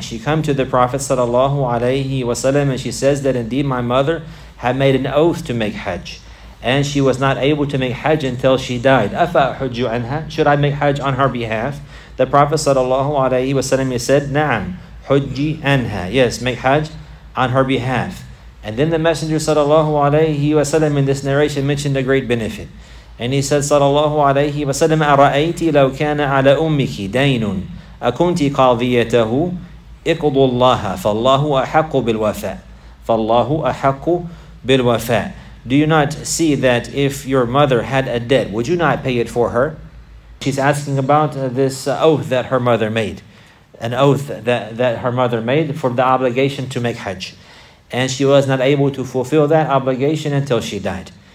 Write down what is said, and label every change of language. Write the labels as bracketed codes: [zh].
[en] She come to the Prophet sallallahu alayhi wasallam and she says that indeed my mother had made an oath to make Hajj, and she was not able to make Hajj until she died. [ar] أَفَأْحُجُّ عَنْهَا, [en] should I make Hajj on her behalf? The Prophet sallallahu alayhi wasallam said, [ar] نَعَمْ حُجِّ عَنْهَا, [en] yes, make Hajj on her behalf. And then the Messenger sallallahu alayhi wasallam in this narration mentioned a great benefit. And he said [ar] sallallahu alayhi wasallam, أَرَأَيْتِ لَوْ كَانَ عَلَى أُمِّكِ دَيْنٌ أَكُنْتِ قَاضِيَتَهُ اِقْضُ اللَّهَ فَاللَّهُ أَحَقُّ بِالْوَفَاءِ فَاللَّهُ أَحَقُّ بِالْوَفَاءِ. [en] Do you not see that if your mother had a debt, would you not pay it for her? She's asking about this oath that her mother made. An oath that her mother made for the obligation to make Hajj. And she was not able to fulfill that obligation until she died.